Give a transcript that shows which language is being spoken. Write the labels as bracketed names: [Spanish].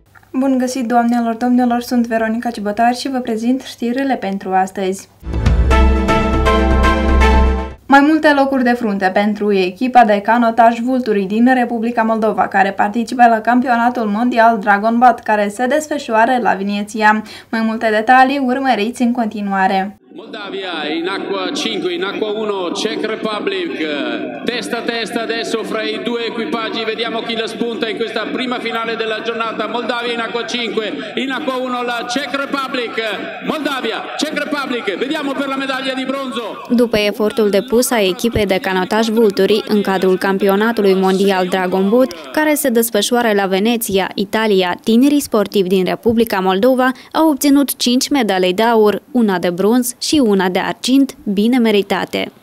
[Romanian] Bun găsit, doamnelor, domnilor, sunt Veronica Cibătar și vă prezint știrile pentru astăzi. Mai multe locuri de frunte pentru echipa de canotaj Vulturii din Republica Moldova, care participă la campionatul mondial Dragon Boat, care se desfășoară la Vineția. Mai multe detalii urmăriți în continuare. [Italian] Moldavia in acqua 5, in acqua 1, Czech Republic, testa a testa adesso fra i due equipaggi, vediamo chi la spunta in questa prima finale della giornata, Moldavia in acqua 5, in acqua 1 la Czech Republic, Moldavia, Czech Republic, vediamo per la medaglia di bronzo. [Romanian] După efortul depus a echipei de canotaj Vulturii în cadrul campionatului mondial Dragon Boat, care se desfășoară la Veneția, Italia, tinerii sportivi din Republica Moldova au obținut 5 medalii de aur, una de bronz și una de argint, bine meritate.